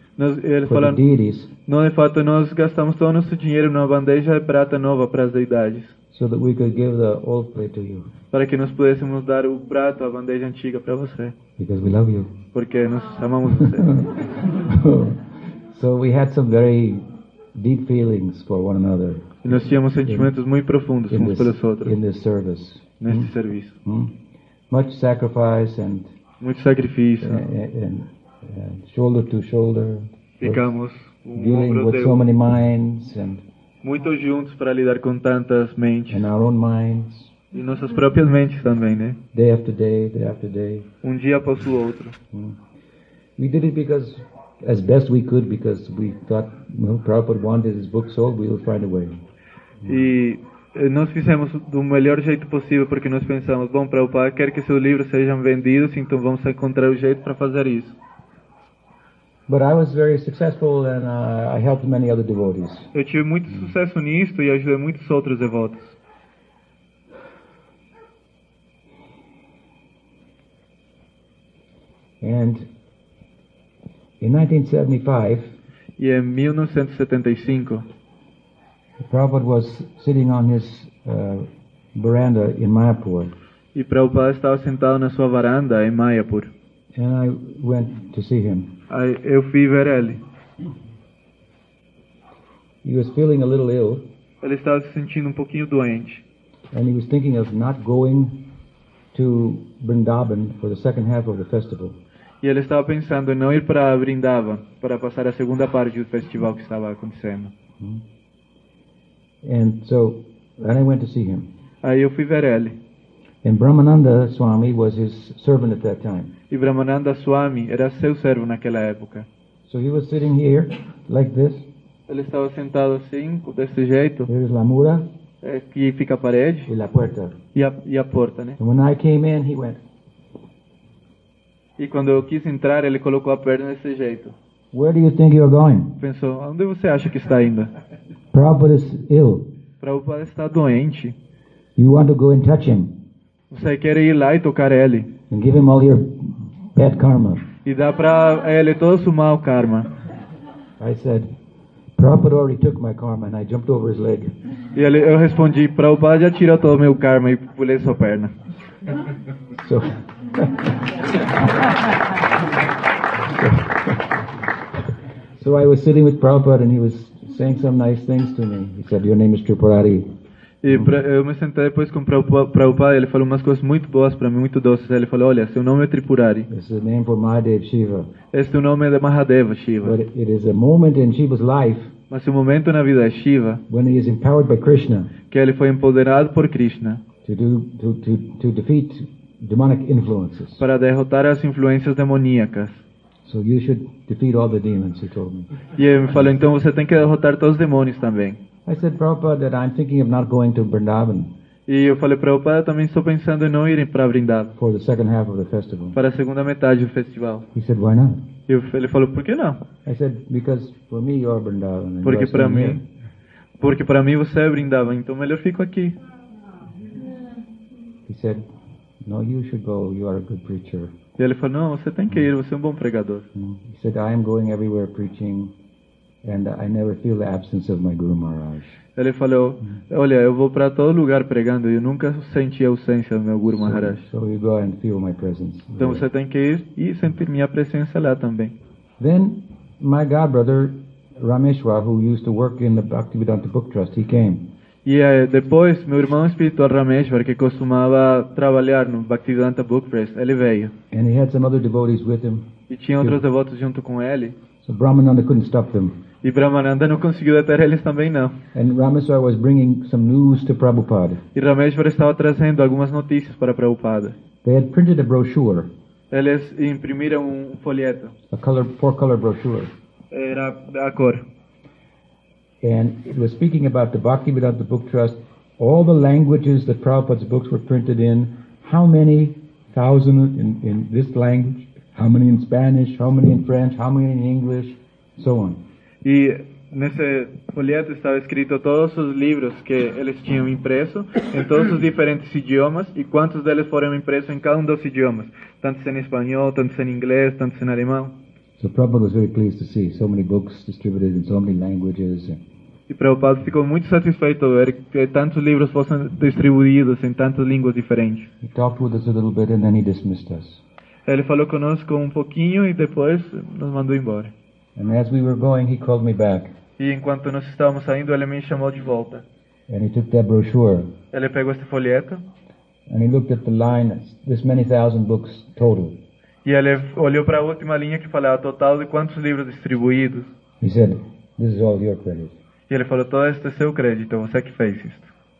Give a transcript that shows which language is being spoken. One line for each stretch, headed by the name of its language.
Portuguese: Eles falaram,
English: the deities.
Portuguese: Não, de fato, nós gastamos todo o nosso dinheiro numa bandeja de prata nova para as deidades.
English: So that we could give the old plate to you.
Portuguese: Para que nós pudéssemos dar o prato, a bandeja antiga para você.
English: Because we love you.
Portuguese: Porque nós amamos você.
English: So we had some very deep feelings for one another.
Portuguese: E nós tínhamos sentimentos muito profundos uns pelos outros.
English: In this service.
Portuguese: Neste serviço.
English: Much sacrifice and
Portuguese: muito sacrifício.
English: And shoulder to shoulder.
Portuguese: Ficamos
English: dealing with so many minds and
Portuguese: muito juntos para lidar com tantas mentes.
English: And our own minds.
Portuguese: E nossas próprias mentes também, né?
English: Day after day, day after day.
Portuguese: Um dia após o outro.
English: We did it because as best we could, because we thought, well, Prabhupada wanted his book sold, we will find a way.
Portuguese: E Nós fizemos do melhor jeito possível, porque nós pensamos, bom, Prabhupada quer que seus livros sejam vendidos, então vamos encontrar o jeito para fazer isso.
English: But I was very successful and I helped many other devotees.
Portuguese: Eu tive muito sucesso nisto e ajudei muitos outros devotos.
English: And in 1975,
Portuguese: e em 1975,
English: Prabhupada was sitting on his veranda in Mayapur.
Portuguese: E Prabhupada estava sentado na sua varanda em Mayapur.
English: And I went to see him.
Portuguese: Eu fui ver ele.
English: He was feeling a little ill.
Portuguese: Ele estava se sentindo um pouquinho doente.
English: And he was thinking of not going to Vrindavan for the second half of the festival.
Portuguese: E ele estava pensando em não ir para Vrindavan para passar a segunda parte do festival que estava acontecendo.
English: And so, and I went to see him.
Portuguese: Aí eu fui ver ele.
English: And Brahmananda Swami was his servant at that time.
Portuguese: E Brahmananda Swami era seu servo naquela época.
English: So he was sitting here, like this.
Portuguese: Ele estava sentado assim, desse jeito.
English: There is
Spanish: la mura.
Portuguese: Aqui fica a parede.
Spanish: E la puerta.
Portuguese: E a porta, né?
English: And when I came in, he went.
Portuguese: E quando eu quis entrar, ele colocou a perna desse jeito.
English: Where do you think you're going?
Portuguese: Pensou, onde você acha que está indo?
English: Prabhupada is ill.
Portuguese: Prabhupada está doente.
English: You want to go and touch him.
Portuguese: Você quer ir lá e tocar ele.
English: And give him all your bad karma.
Portuguese: E dá para ele todo o mau karma.
English: I said, Prabhupada already took my karma and I jumped over his leg.
Portuguese: E ele, eu respondi, Prabhupada já tirou todo o meu karma e pulei sua perna.
English: So, so I was sitting with Prabhupada and he was saying some nice things to me. He said, your name is Tripurari.
Portuguese: E eu me sentei depois com Prabhupada e ele falou umas coisas muito boas para mim, muito doces. Ele falou, olha, seu nome é Tripurari.
English: This is the name for Mahadev Shiva.
Portuguese: Este nome é de Mahadeva Shiva.
English: But it is a moment in Shiva's life.
Portuguese: Mas é um momento na vida de Shiva.
English: When he is empowered by Krishna.
Portuguese: Que ele foi empoderado por Krishna.
English: To defeat demonic influences.
Portuguese: Para derrotar as influências demoníacas.
English: So you should defeat all the demons, he told me.
Portuguese: E ele me falou, então você tem que derrotar todos os demônios também.
English: I said, Prabhupada, that I'm thinking of not going to Vrindavan.
Portuguese: E eu falei, Prabhupada, também estou pensando em não ir para Vrindavan.
English: For the second half of the festival.
Portuguese: Para a segunda metade do festival.
English: He said, why not?
Portuguese: E ele falou, por que não?
English: I said, because for me you're Vrindavan.
Portuguese: Porque para mim, você é Vrindavan, então melhor fico aqui.
English: He said, no, you should go. You are a good preacher.
Portuguese: E ele falou, não, você tem que ir. Você é um bom pregador.
English: He said, I am going everywhere preaching. And I never feel the absence of my Guru Maharaj.
Portuguese: Ele falou, olha, eu vou para todo lugar pregando e eu nunca senti a ausência do meu Guru Maharaj.
English: So you go and feel my presence.
Portuguese: Então você tem que ir e sentir minha presença lá também.
English: Then my god brother Rameshwar, who used to work in the Bhaktivedanta Book Trust, he came.
Portuguese: E depois meu irmão espiritual Rameshwar, que costumava trabalhar no Bhaktivedanta Book Trust, ele veio.
English: And he had some other devotees with him.
Portuguese: E tinha outros devotos junto com ele.
English: So Brahmananda couldn't stop them.
Portuguese: E Brahmananda não conseguiu deter eles também, não.
English: And Rameshwar was bringing some news to Prabhupada.
Portuguese: E Rameshwar estava trazendo algumas notícias para Prabhupada.
English: They had printed a brochure.
Portuguese: Eles imprimiram um folheto.
English: A color, four color brochure.
Portuguese: Era a cor.
English: And it was speaking about the Bhaktivedanta Book Trust, all the languages that Prabhupada's books were printed in, how many thousand in this language. How many in Spanish, how many in French, how many in English, so on.
Portuguese: E nesse folheto estava escrito todos os livros que eles tinham impresso em todos os diferentes idiomas e quantos deles foram impressos em cada um dos idiomas, tanto em espanhol, tanto em inglês, tanto em alemão.
English: So Prabhupada was very pleased to see so many books distributed in so many languages.
Portuguese: E Prabhupada ficou muito satisfeito ver que tantos livros fossem distribuídos em tantas línguas diferentes.
English: He talked with us a little bit and then he dismissed us.
Portuguese: Ele falou conosco um pouquinho e depois nos mandou embora.
English: And as we were going, he called me back.
Portuguese: E enquanto nós estávamos saindo, ele me chamou de volta.
English: And he took that brochure.
Portuguese: Ele pegou esse folheto.
English: And he looked at the line, this many thousand books total.
Portuguese: E ele olhou para a última linha que falava total de quantos livros distribuídos.
English: He said, this is all your credit.
Portuguese: E ele falou, todo este é seu crédito, você que fez isto.